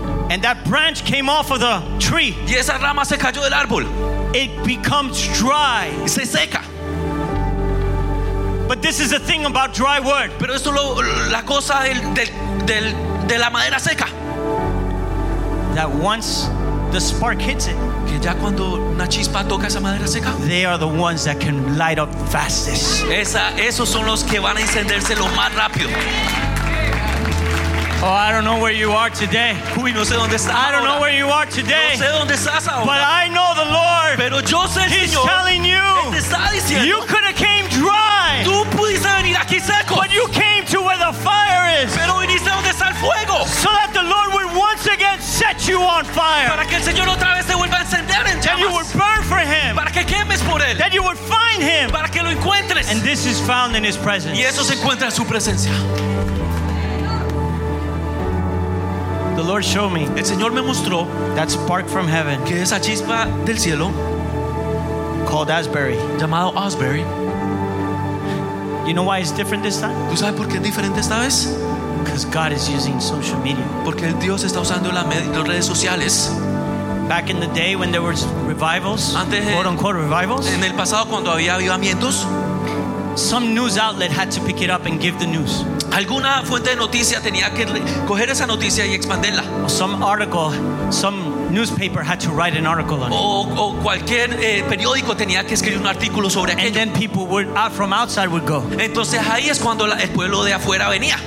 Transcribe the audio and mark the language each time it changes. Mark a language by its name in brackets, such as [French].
[English] And that branch came off of the tree. [Spanish] Y esa rama se cayó del árbol. [English] It becomes dry. [Spanish] Y se seca. [English] But this is the thing about dry wood. [Spanish] Pero esto lo la cosa de la madera seca. [English] That once the spark hits it. [Spanish] Que ya cuando una chispa toca esa madera seca. [English] They are the ones that can light up fastest. [Spanish] Esos son los que van a encenderse lo más rápido. [English] Oh, I don't know where you are today. [Spanish] Uy, no sé dónde estás ahora. [English] I don't know where you are today. [Spanish] No sé dónde estás ahora. [English] But I know the Lord. [Spanish] Pero yo sé el [English] He's [Spanish] Señor. [English] Telling you. [Spanish] Él te está diciendo. [English] You could have came dry. [Spanish] Tú pudiste venir aquí seco. [English] But you came to where the fire is. [Spanish] Pero viniste donde está el fuego. [English] So that the Lord would once again set you on fire. [Spanish] Para que el Señor otra vez te vuelva a encender en llamas. [English] And you would burn for him. [Spanish] Para que quemes por él. [English] That you would find him. [Spanish] Para que lo encuentres. [English] And this is found in his presence. [Spanish] Y eso se encuentra en su presencia. [English] The Lord showed me. [Spanish] El Señor me mostró [English] that spark from heaven. [Spanish] Que esa chispa del cielo, [English] called Asbury. [Spanish] Llamado Asbury. [English] You know why it's different this time? [Spanish] ¿Tú sabes por qué es diferente esta vez? [English] Because God is using social media. [Spanish] Porque Dios está usando las redes sociales. [English] Back in the day when there were revivals, [Spanish] antes, [English] quote unquote revivals. [Spanish] En el pasado cuando había avivamientos. [English] Some news outlet had to pick it up and give the news. [Spanish] Alguna fuente de noticia tenía que coger esa noticia y expandirla. [English] Some article, some newspaper had to write an article on it. [Spanish] O cualquier periódico tenía que escribir un artículo sobre aquello. [English] And then people from outside would go. [Spanish] Entonces ahí es cuando el pueblo de afuera venía.